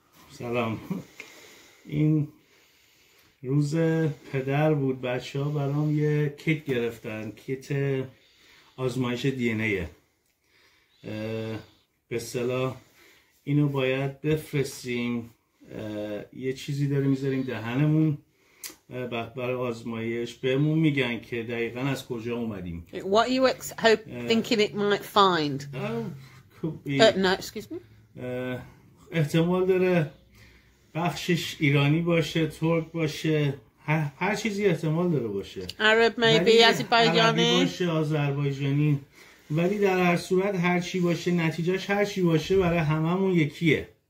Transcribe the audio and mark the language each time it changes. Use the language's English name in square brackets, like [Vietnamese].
[Persian] سلام این روز پدر بود بچه ها برام یه کیت گرفتن کیت آزمایش دی ان ای به اصطلاح اینو باید بفرستیم یه چیزی داریم میذاریم دهنمون برای آزمایش بهمون میگن که دقیقا از کجا اومدیم [English] What are you ex hope thinking it might find? Could be No, excuse me. [Persian] احتمال داره بخشش ایرانی باشه، ترک باشه، هر چیزی احتمال داره باشه. [English] Arab maybe, [Persian] ولی عربی [English] Azerbaijani. [Persian] باشه، آذربایجانی، ولی در هر صورت هر چی باشه، نتیجهش هر چی باشه برای هممون یکیه.